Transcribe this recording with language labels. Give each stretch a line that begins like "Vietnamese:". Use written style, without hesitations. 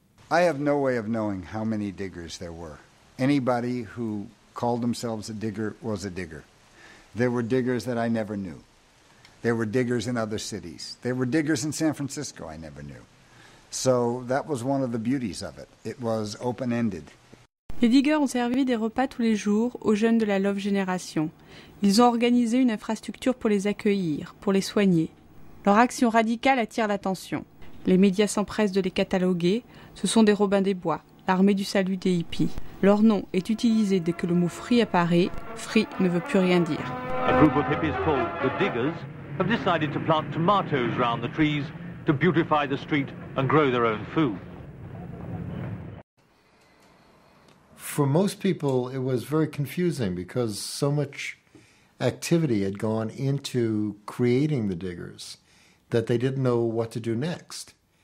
English: I have no way of knowing how many diggers there were. Anybody who called themselves a digger was a digger. There were diggers that I never knew. There were diggers in other cities. There were diggers in San Francisco I never knew. So that was one of the beauties of it. It was open-ended.
French: Les diggers ont servi des repas tous les jours aux jeunes de la Love Generation. Ils ont organisé une infrastructure pour les accueillir, pour les soigner. Leur action radicale attire l'attention. Les médias s'empressent de les cataloguer. Ce sont des Robins des Bois, l'armée du salut des hippies. Leur nom est utilisé dès que le mot free apparaît. Free ne veut plus rien dire.
English: A group of hippies called the Diggers have decided to plant tomatoes round the trees to beautify the street and grow their own food. For most people, it was very confusing because so much activity had gone into creating the Diggers that they didn't know what to do next.